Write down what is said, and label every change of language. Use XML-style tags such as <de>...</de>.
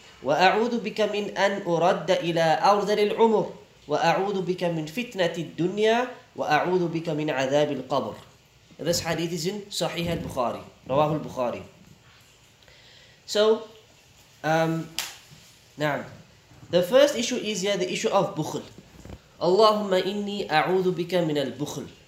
<ar>وأعوذ بك من أن أرد إلى أرذل العمر وأعوذ بك من فتنة الدنيا وأعوذ بك من عذاب القبر.</ar> <en>This hadith is in Sahih al-Bukhari,</en> <ar>رواه البخاري.</ar> <en>So, the first issue is the issue of بخل.</en> <ar>اللهم إني أعوذ بك من البخل.</ar>